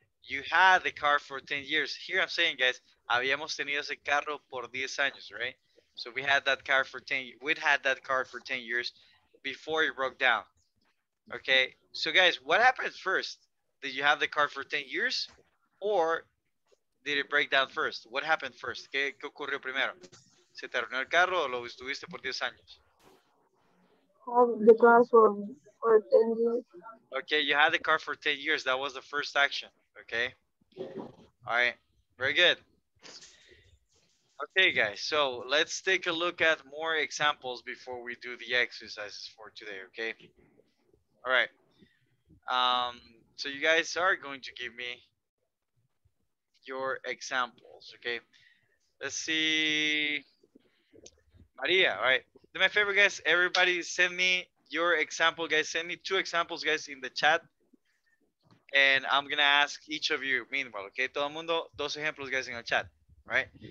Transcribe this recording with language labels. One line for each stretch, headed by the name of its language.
English: You had the car for 10 years. Here I'm saying, guys,
Spanish: habíamos tenido ese carro por 10 años,
English: right? So we had that car for 10, we'd had that car for 10 years before it broke down, okay? So guys, what happened first? Did you have the car for 10 years or did it break down first? What happened first?
Spanish: ¿Qué, qué ocurrió primero? ¿Se te arruinó el carro o lo estuviste por 10 años?
English: The car for 10 years. Okay, you had the car for 10 years. That was the first action. Okay. All right. Very good. Okay, guys. So let's take a look at more examples before we do the exercises for today. Okay. All right. So you guys are going to give me your examples. Okay. Let's see. Maria. All right. Do me a favor, guys. Everybody send me your example, guys. Send me two examples, guys, in the chat. And I'm gonna ask each of you, meanwhile, okay?
Spanish: Todo mundo, dos ejemplos, guys, en el chat, right?